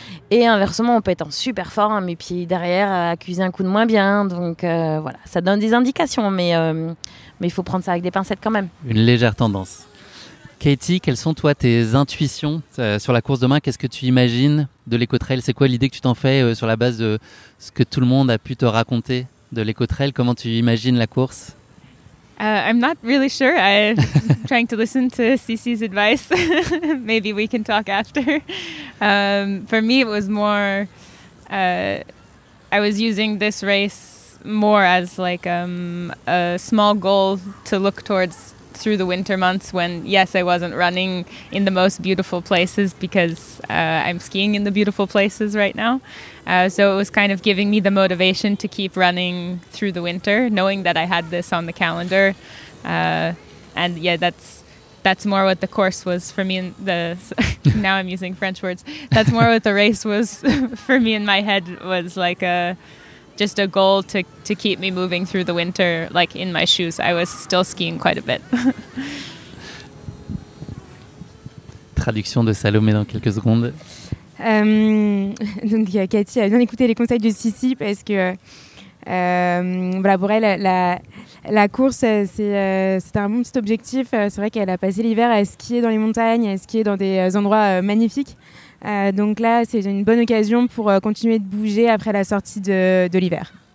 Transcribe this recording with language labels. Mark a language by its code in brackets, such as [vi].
[fr] Et inversement, on peut être en super forme et puis derrière accuser un coup de moins bien, donc voilà, ça donne des indications, mais il faut prendre ça avec des pincettes quand même. Une légère tendance. Katie, quelles sont toi tes intuitions sur la course demain? Qu'est-ce que tu imagines de l'Écotrail? C'est quoi l'idée que tu t'en fais sur la base de ce que tout le monde a pu te raconter de l'Écotrail? Comment tu imagines la course? [en] I'm not really sure. I'm trying to listen to Cici's advice. Maybe we can talk after. For me, it was more... I was using this race more as like a small goal to look towards through the winter months, when yes, I wasn't running in the most beautiful places, because I'm skiing in the beautiful places right now. So it was kind of giving me the motivation to keep running through the winter, knowing that I had this on the calendar. And yeah, that's that's more what the course was for me. Now I'm using French words. That's more what the race was for me in my head, was like just a goal to keep me moving through the winter, like in my shoes. I was still skiing quite a bit. [fr] Traduction de Salomé dans quelques secondes. Donc Cathy a bien écouté les conseils de Sissi parce que voilà, pour elle la course c'était un bon petit objectif. C'est vrai qu'elle a passé l'hiver à skier dans les montagnes, à skier dans des endroits magnifiques, donc là c'est une bonne occasion pour continuer de bouger après la sortie de l'hiver.